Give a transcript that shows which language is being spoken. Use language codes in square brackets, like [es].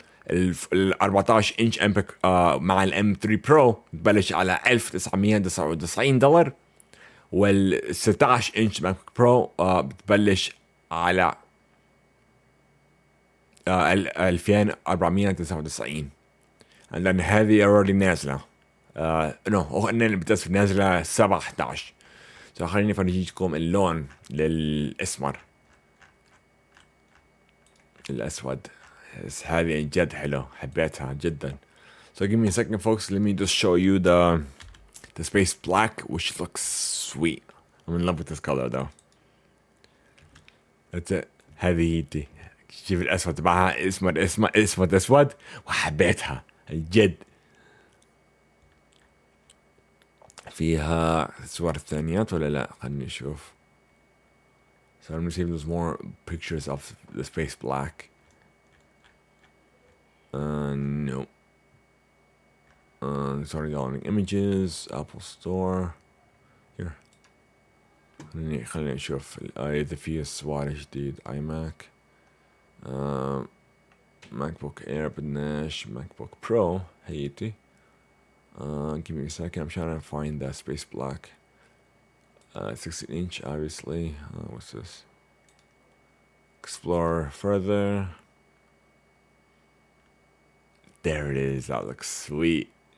[ar] ال 14 انش امبك مع الام 3 برو ببلش على 1999 دولار، وال 16 انش امبك برو بتبلش على 2499. [en] And then [ar] هذه [en] already [ar] نازله نو انا اللي بتس نازله 17. خليني افرجيكم اللون للاسمر الاسود. هذه جد حلو، حبيتها جدا. [en] So give me a second folks, let me just show you the space black, which looks sweet. I'm in love with this color though. That's it. [ar] هذه دي شوف الاسود تبعها، اسمر اسمر اسود اسود، وحبيتها الجد. فيها صور ثانيات ولا لا؟ خلني اشوف. [en] So I'm receiving those more pictures of the space black. No. Sorry, downloading images, Apple Store. Here. [ar] خليني خليني اشوف اذا في صور جديد. iMac. MacBook Air بدناش، MacBook Pro هيتي. [en] Give me a second, I'm trying to find that space black. 16 inch obviously. What's this? Explore further. There it is, that looks sweet.